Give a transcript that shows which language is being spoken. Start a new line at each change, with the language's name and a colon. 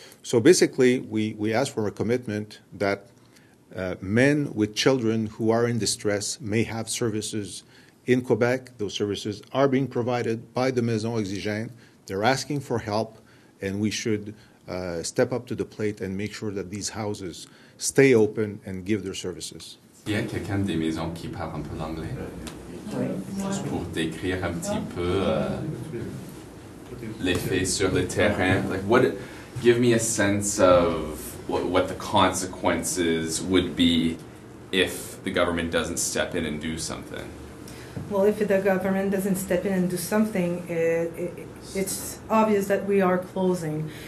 English: So basically, we ask for a commitment that men with children who are in distress may have services in Quebec. Those services are being provided by the Maison Exigeante. They're asking for help, and we should step up to the plate and make sure that these houses stay open and give their services.
French: Il y a quelqu'un des maisons qui parle un peu l'anglais. Juste pour décrire un petit peu l'effet sur le terrain.
English: Like, what? Give me a sense of what the consequences would be if the government doesn't step in and do something. Well, if the government doesn't step in and do something, it's obvious that we are closing.